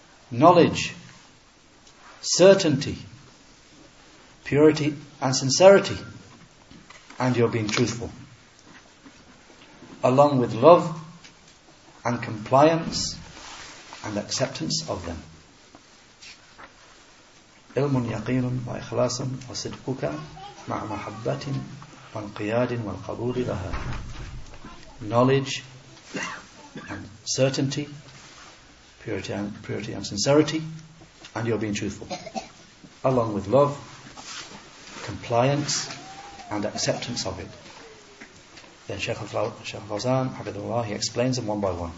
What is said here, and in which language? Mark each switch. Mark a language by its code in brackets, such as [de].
[en] Knowledge, certainty, purity and sincerity, and your being truthful, along with love and compliance and acceptance of them. [ar] علم يقين وإخلاص وصدقك مع محبة وانقياد والقبول لها. [en] Knowledge and certainty, purity and sincerity, and you're being truthful, along with love, compliance and acceptance of it. Then Shaykh al-Fawzan, hafidhahullah, he explains them one by one.